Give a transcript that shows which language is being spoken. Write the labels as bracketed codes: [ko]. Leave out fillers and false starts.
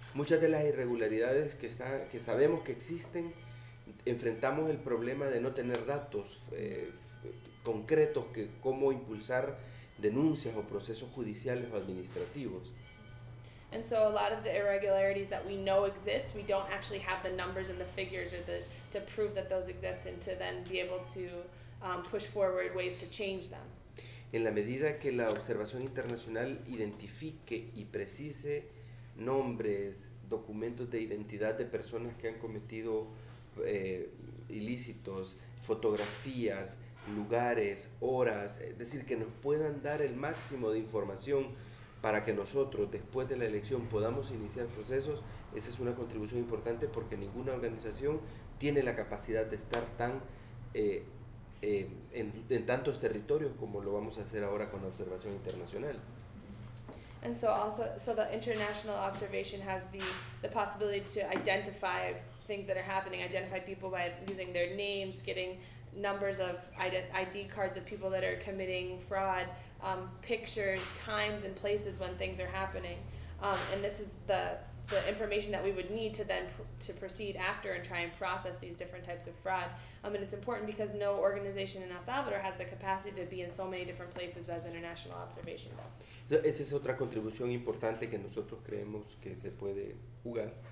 [es] Muchas de las irregularidades que sabemos que existen, enfrentamos el problema de no tener datos concretos que cómo impulsar denuncias o procesos judiciales o administrativos. [en] And so a lot of the irregularities that we know exist, we don't actually have the numbers and the figures or the to prove that those exist and to then be able to push forward ways to change them. [es] En la medida que la observación internacional identifique y precise nombres, documentos de identidad de personas que han cometido ilícitos, fotografías, lugares, horas, es decir, que nos puedan dar el máximo de información para que nosotros, después de la elección, podamos iniciar procesos, esa es una contribución importante porque ninguna organización tiene la capacidad de estar tan en tantos territorios como lo vamos a hacer ahora con la observación internacional. [en] And so also, so the international observation has the possibility to identify things that are happening, identify people by using their names, getting numbers of ID cards of people that are committing fraud, pictures, times and places when things are happening. And this is the information that we would need to then to proceed after and try and process these different types of fraud. And it's important because no organization in El Salvador has the capacity to be in so many different places as international observation does. [es] Esa es otra contribución importante que nosotros creemos que se puede jugar.